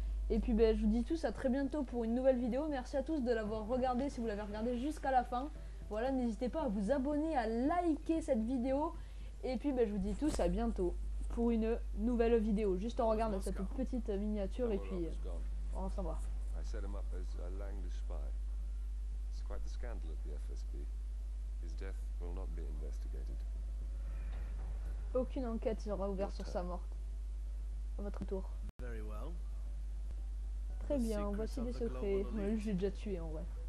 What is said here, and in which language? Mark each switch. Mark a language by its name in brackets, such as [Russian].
[French] Et puis bah, je vous dis tous à très bientôt pour une nouvelle vidéo. Merci à tous de l'avoir regardé si vous l'avez regardé jusqu'à la fin. Voilà, n'hésitez pas à vous abonner, à liker cette vidéo. Et puis, ben, je vous dis tous à bientôt pour une nouvelle vidéo. Juste on regarde cette petite miniature et puis on s'en va. [English] I set him up as a Langley spy. It's quite the scandal at the FSB. His death will not be investigated. [French] Aucune enquête sera ouverte sur sa mort. À votre tour. [English] Very well. [French] Très bien, voici les secrets. Mais lui, j'ai déjà tué en vrai.